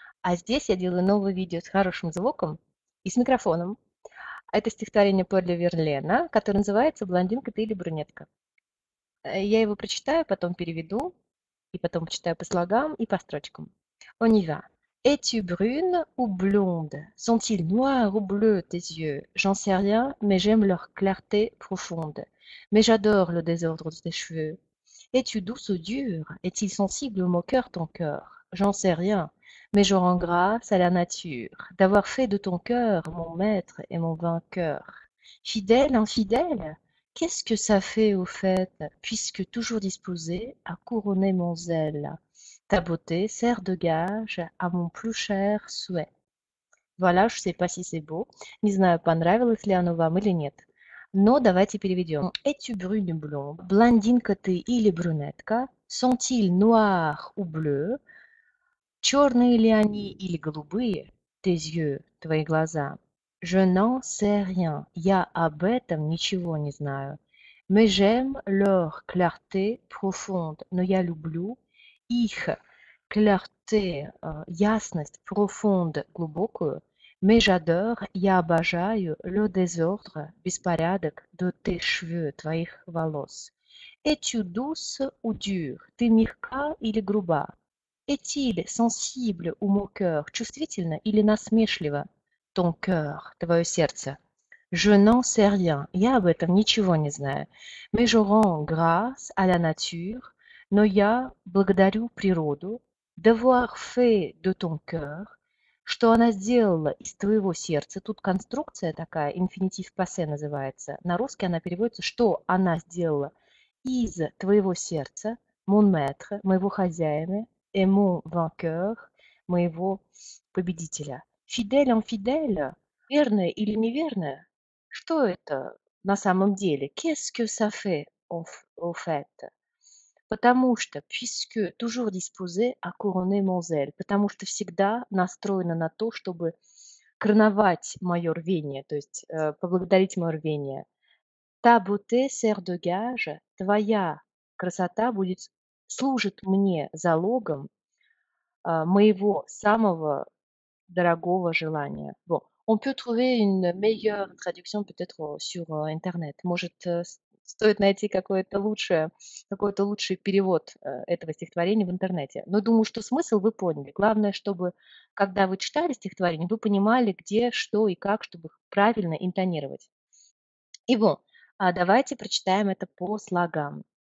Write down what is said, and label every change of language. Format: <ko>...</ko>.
<ru>А здесь я делаю новое видео с хорошим звуком и с микрофоном. Это стихотворение Поля Верлена, которое называется «Блондинка, ты или брюнетка». Я его прочитаю, потом переведу, и потом почитаю по слогам и по строчкам.</ru> <fr>On y va. Es-tu brune ou blonde? Sont-ils noirs ou bleus tes yeux? J'en sais rien, mais j'aime leur clarté profonde. Mais j'adore le désordre de tes cheveux. Es-tu douce ou dure? Est-il sensible au moqueur ton cœur? J'en sais rien, mais je rends grâce à la nature d'avoir fait de ton cœur mon maître et mon vainqueur. Fidèle, infidèle? Qu'est-ce que ça fait au fait, puisque toujours disposé à couronner mon zèle? Ta beauté sert de gage à mon plus cher souhait. Voilà, je ne sais pas si c'est beau.</fr> <ru>Не знаю, понравилось ли оно вам или нет. Но давайте переведем.</ru> <fr>Es-tu brune ou blonde?</fr> <ru>Блондинка ты или брюнетка?</ru> <fr>Sont-ils noirs ou bleus?</fr> <ru>Черные ли они или голубые?</ru> <fr>Tes yeux,</fr> <ru>твои глаза.</ru> <fr>Je n'en sais rien,</fr> <ru>я об этом ничего не знаю.</ru> <fr>Mais j'aime leur clarté profonde,</fr> <ru>но я люблю их</ru> <fr>clarté,</fr> <ru>ясность</ru> <fr>profonde,</fr> <ru>глубокую.</ru> <fr>Mais j'adore,</fr> <ru>я обожаю</ru> <fr>le désordre,</fr> <ru>беспорядок</ru> <fr>de tes cheveux,</fr> <ru>твоих волос.</ru> <fr>Es-tu douce ou dure,</fr> <ru>ты мягка или груба?</ru> <fr>Est-il sensible ou moqueur,</fr> <ru>чувствительно или насмешливо?</ru> <fr>Ton cœur,</fr> <ru>твое сердце.</ru> <fr>Je n'en sais rien,</fr> <ru>я об этом ничего не знаю.</ru> <fr>Mais je rends grâce à la nature,</fr> <ru>но я благодарю природу,</ru> <fr>d'avoir fait de ton cœur,</fr> <ru>что она сделала из твоего сердца. Тут конструкция такая, infinitive passé называется. На русский она переводится, что она сделала из твоего сердца,</ru> <fr>mon maître,</fr> <ru>моего хозяина,</ru> <fr>et mon vainqueur,</fr> <ru>моего победителя. Фидель, инфидель, верное или неверное? Что это на самом деле?</ru> <fr>Qu'est-ce que ça fait au fait?</fr> <ru>Потому что,</ru> <fr>puisque toujours disposé à couronner mon zèle,</fr> <ru>потому что всегда настроена на то, чтобы короновать мое рвение, то есть поблагодарить мое рвение.</ru> <fr>Ta beauté sert de gage,</fr> <ru>твоя красота будет служит мне залогом моего самого дорогого желания.</ru> <fr>Bon. On peut trouver une meilleure traduction peut-être sur Internet.</fr> <ru>Может, стоит найти какой-то лучший перевод этого стихотворения в интернете. Но думаю, что смысл вы поняли. Главное, чтобы, когда вы читали стихотворение, вы понимали, где, что и как, чтобы правильно интонировать. И bon, давайте прочитаем это по слогам.</ru>